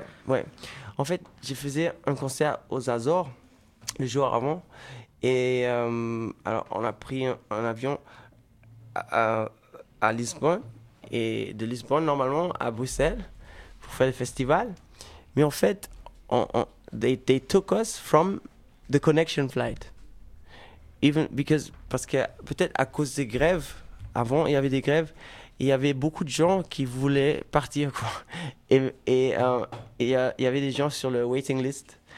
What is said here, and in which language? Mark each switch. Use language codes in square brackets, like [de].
[fr] Ouais. En fait, je faisais un concert aux Azores le jour avant. Et alors, on a pris un avion à Lisbonne, et de Lisbonne, normalement, à Bruxelles, pour faire le festival. Mais en fait, [en] they took us from the connection flight. [fr] Parce que peut-être à cause des grèves, avant, il y avait des grèves, il y avait beaucoup de gens qui voulaient partir, quoi. Et il y avait des gens sur le waiting list.